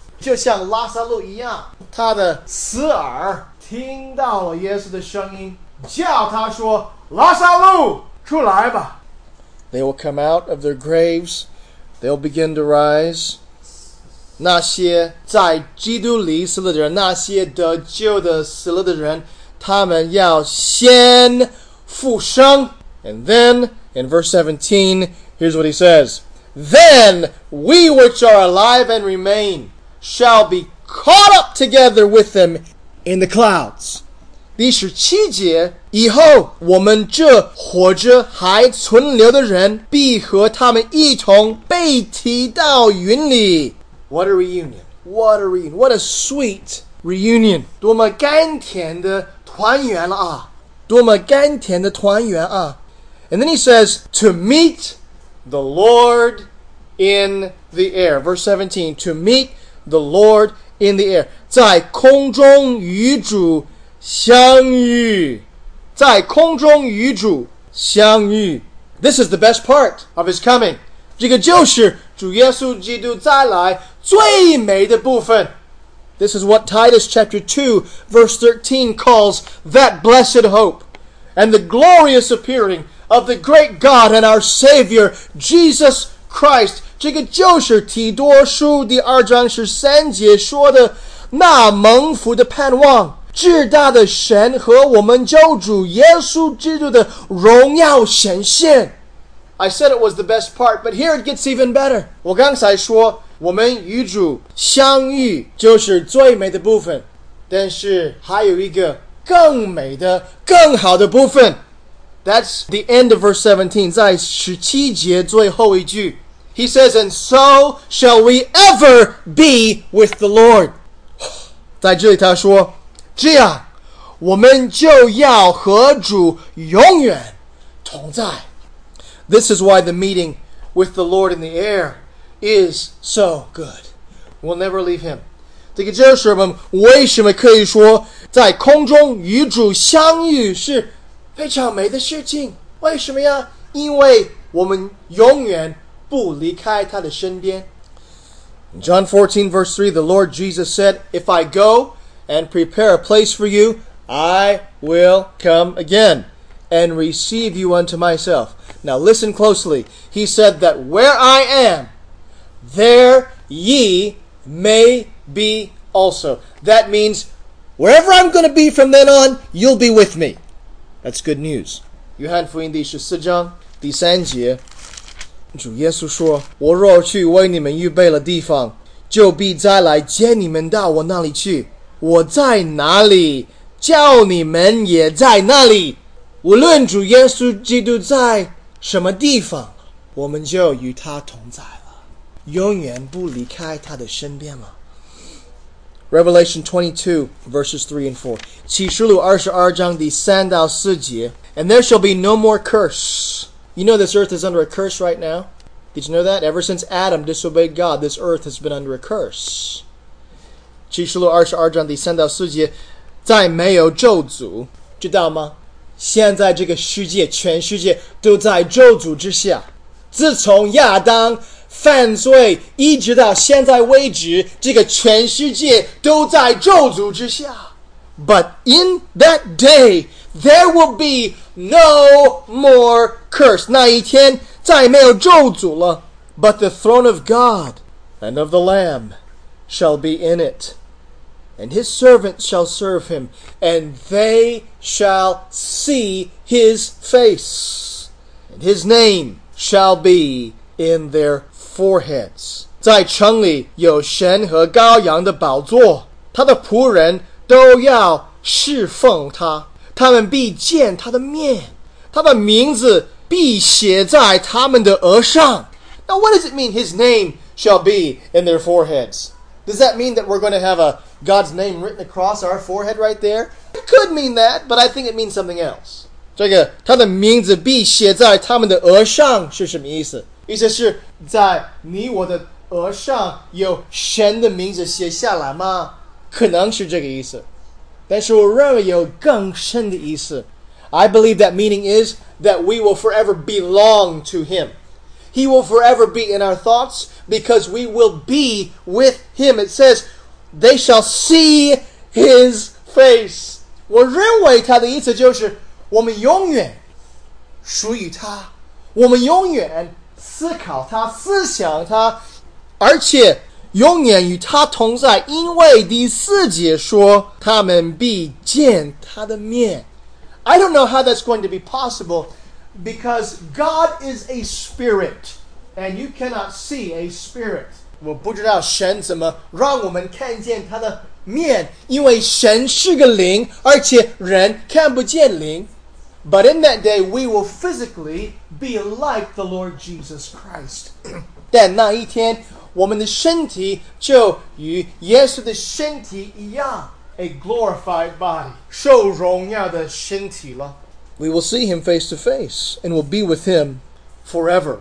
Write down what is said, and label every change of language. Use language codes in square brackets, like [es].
[zh] 就像拉撒路一样，他的死耳听到了耶稣的声音，叫他说，拉撒路，出来吧。 [en] They will come out of their graves. They'll begin to rise. [zh] 那些在基督里死了的人，那些得救的死了的人，他们要先复生。 [en] And then, in verse 17, here's what he says. Then we which are alive and remain shall be caught up together with them in the clouds. [zh] 第十七节，以后我们这活着还存留的人必和他们一同被提到云里。 [en] What a reunion. What a reunion. What a sweet reunion. [zh] 多么甘甜的团圆啊。多么甘甜的团圆啊。 [en] And then he says, to meet the Lord in the air. Verse 17, to meet the Lord in the air. [zh] 在空中与主相遇。在空中与主相遇。 [en] This is the best part of his coming. [zh] 这个就是主耶稣基督再来最美的部分。 [en] This is what Titus chapter 2, verse 13 calls that blessed hope and the glorious appearing of the great God and our Savior, Jesus Christ. [zh] 这个就是提多书第二章十三节说的那蒙福的盼望，至大的神和我们救主耶稣基督的荣耀显现。 [en] I said it was the best part, but here it gets even better. [zh] 我刚才说我们与主相遇就是最美的部分，但是还有一个更美的更好的部分。 [en] That's the end of verse 17, [zh] 在十七节最后一句。 [en] He says, and so shall we ever be with the Lord. [zh] 在这里他说，这样我们就要和主永远同在。 [en] This is why the meeting with the Lord in the air is so good. We'll never leave him. [zh] 这个就是我们为什么可以说在空中与主相遇是非常美的事情。为什么呀？因为我们永远不离开他的身边。 [en] John 14 verse 3, the Lord Jesus said, If I go and prepare a place for you, I will come again and receive you unto myself. Now listen closely. He said that where I am, there ye may be also. That means wherever I'm going to be from then on, you'll be with me. That's good news. [zh] 约翰福音第十四章第三节，主耶稣说，我若去为你们预备了地方，就必再来接你们到我那里去。我在哪里，叫你们也在那里。无论主耶稣基督在什么地方，我们就与他同在了，永远不离开他的身边了。 [en] Revelation 22, verses 3 and 4. [zh] 启示录二十二章第三到四节 [en] And there shall be no more curse. You know this earth is under a curse right now? Did you know that? Ever since Adam disobeyed God, this earth has been under a curse. [zh] 启示录二十二章第三到四节再没有咒诅，知道吗？现在这个世界，全世界都在咒诅之下。自从亚当犯罪一直到现在为止，这个全世界都在咒诅之下。 [en] But in that day, there will be no more curse. [zh] 那一天再没有咒诅了。 [en] But the throne of God and of the Lamb shall be in it, and his servants shall serve him, and they shall see his face, and his name shall be in their foreheads. [zh] 在城里有神和羔羊的宝座，他的仆人都要侍奉他，他们必见他的面，他的名字必写在他们的额上。 [en] Now what does it mean his name shall be in their foreheads? Does that mean that we're going to have a God's name written across our forehead right there? It could mean that, but I think it means something else. [zh] 这个他的名字必写在他们的额上是什么意思？意思是在你我的额上有神的名字写下来吗？可能是这个意思，但是我认为有更深的意思。 [en] I believe that meaning is that we will forever belong to him. He will forever be in our thoughts because we will be with him. It says they shall see his face. [zh] 我认为他的意思就是我们永远属于他，我们永远思考他，思想他，而且永远与他同在，因为第四节说他们必见他的面。 [en] I don't know how that's going to be possible because God is a spirit and you cannot see a spirit. [zh] 我不知道神怎么让我们看见他的面，因为神是个灵，而且人看不见灵。 [en] But in that day we will physically be like the Lord Jesus Christ. [zh] 但那一天我们的身体就与耶稣的身体一样， [en] a glorified body, [zh] 受荣耀的身体了。 [en] We will see him face to face and will be with him forever.